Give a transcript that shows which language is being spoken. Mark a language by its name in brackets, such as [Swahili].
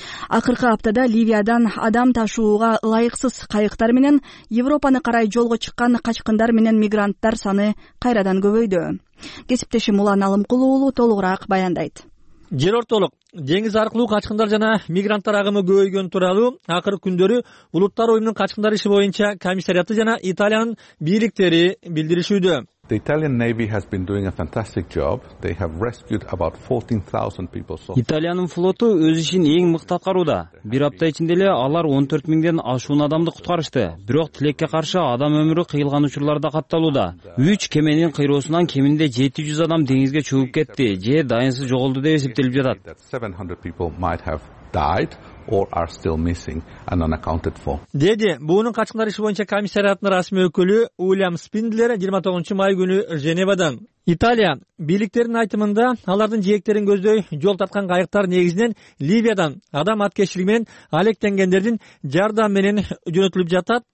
[Kyrgyz] Акыркы аптада Ливиядан адам ташууга ылайыксыз кайыктар менен Европаны карай жолго чыккан качкындар менен мигранттар саны кайрадан көбөйдү. Кесиптешим Улан Алымкул уулу толугураак баяндайт. Жер ортолук деңиз аркылуу качкындар жана мигранттар агымы көбөйгөн тууралуу акыркы күндөрү Улуттар уюмунун качкындар иши боюнча комиссариаты жана Италиянын бийликтери билдиришүүдө. [English] The Italian Navy has been doing a fantastic job. They have rescued about 14,000 people so far. [Kyrgyz] Италиянын флоту өз ишин эң мыкты аткарууда. Бир апта ичинде эле алар 14,000ден ашуун адамды куткарышты. Бирок тилекке каршы адам өмүрү кыйылган учурлар да катталууда. 3 кеменин кыйроосунан кеминде 700 адам деңизге чөгүп кетти же дайынсыз жоголду деп эсептелип жатат. [English] 700 people might have died or are still missing and unaccounted for. [Kyrgyz] Деди буунун качкындар иши боюнча комиссариатынын расмий өкүлү Уильям Спиндлер 29 май күнү Женевадан. Италия бийликтеринин айтымында алардын жээктерин көздөй жол тарткан кайыктар негизинен Ливиядан адам аткечилиги менен алектенгендердин жардам менен жөнөтүлүп жатат.